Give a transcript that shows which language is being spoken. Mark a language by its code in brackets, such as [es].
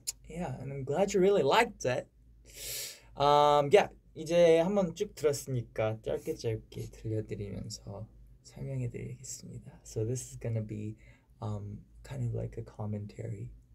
[en] Yeah, and I'm glad you really liked it. [ko] Yeah, 이제 한번 쭉 들었으니까 짧게 짧게 들려드리면서 설명해 드리겠습니다. [en] So this is gonna be kind of like a commentary.